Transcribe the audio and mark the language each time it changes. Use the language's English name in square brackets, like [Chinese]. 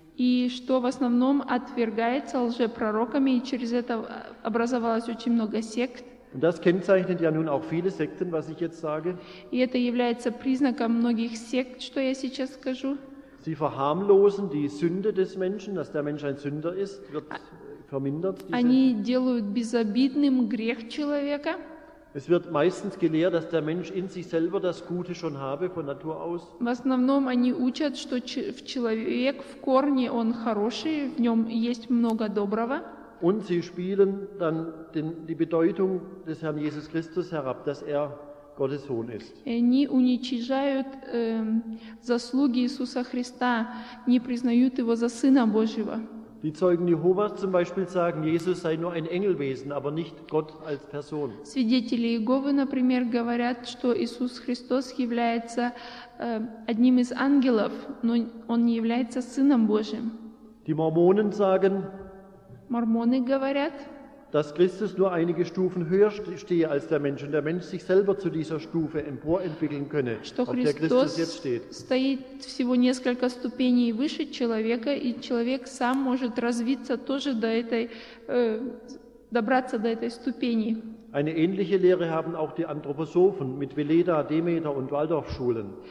[Russian] И что в основном отвергается лжепророками, и через это образовалось очень много сект. [German] Und das kennzeichnet ja nun auch viele Sekten, was ich jetzt sage. [Russian] И это является признаком многих сект, что я сейчас скажу. [German] Sie verharmlosen die Sünde des Menschen, dass der Mensch ein Sünder ist, wird vermindert. [Russian] Они делают безобидным грех человека. [German] Es wird meistens gelehrt, dass der Mensch in sich selber das Gute schon habe von Natur aus. [Russian] В основном они учат, что человек в корне он хороший, в нем есть много доброго. [German] Und sie spielen dann die Bedeutung des Herrn Jesus Christus herab, dass er Gottes Sohn ist. [Russian] Они уничижают заслуги Иисуса Христа, не признают его за Сына Божьего. [German] Die Zeugen Jehovas zum Beispiel sagen, Jesus sei nur ein Engelwesen, aber nicht Gott als Person. [Russian] Свидетели Иеговы, например, говорят, что Иисус Христос является одним из ангелов, но он не является Сыном Божьим. [German] Die Mormonen sagen, [Russian] Мормоны говорят, [German] dass Christus nur einige Stufen höher stehe als der Mensch und der Mensch sich selber zu dieser Stufe emporentwickeln könne, auf der Christus jetzt steht. [Russian] Стоит всего несколько ступеней выше человека, и человек сам может развиться тоже до этой, добраться до этой ступени. [German] Eine ähnliche Lehre haben auch die Anthroposophen mit Veleda, Demeter und Waldorfschulen.